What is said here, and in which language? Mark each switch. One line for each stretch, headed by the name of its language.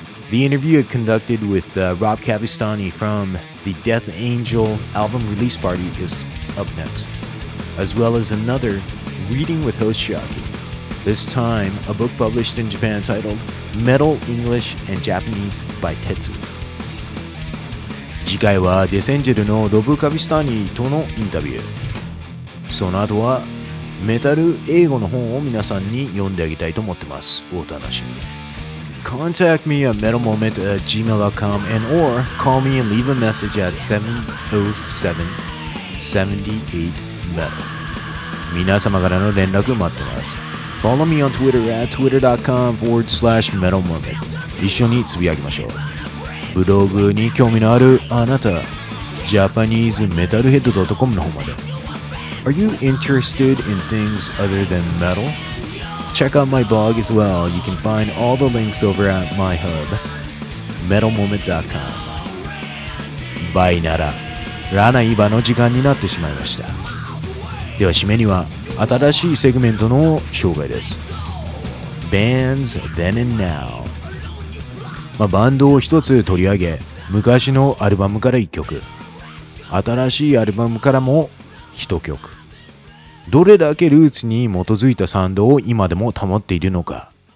English: The interview I conducted with Rob Cavistani from the Death Angel album release party is up next, as well as another reading with host Shaki. This time, a book published in Japan titled Metal English and Japanese by Tetsu.
Japanese: 次回はデスエンジェルのロブ・カビスタニーとのインタビュー。その後はメタル英語の本を皆さんに読んであげたいと思ってます。お楽しみに。
English: Contact me at metalmoment@gmail.com and or call me and leave a message at 707-78-METAL.
Japanese: 皆様からの連絡待ってます。
English: Follow me on Twitter at twitter.com/metalmoment.
Japanese: 一緒につぶやきましょう。ブログに興味のあるあなた、japanesemetalhead.com の方まで。
English: Are you interested in things other than metal? Check out my blog as well. You can find all the links over at my hub, metalmoment.com.
Japanese: バイなら、ラナイバの時間になってしまいました。では締めには、新しいセグメントの紹介です。
English: Bands Then and Now。
Japanese: まあ、バンドを一つ取り上げ、昔のアルバムから一曲、新しいアルバムからも一曲、どれだけルーツに基づいたサウンドを今でも保っているのか。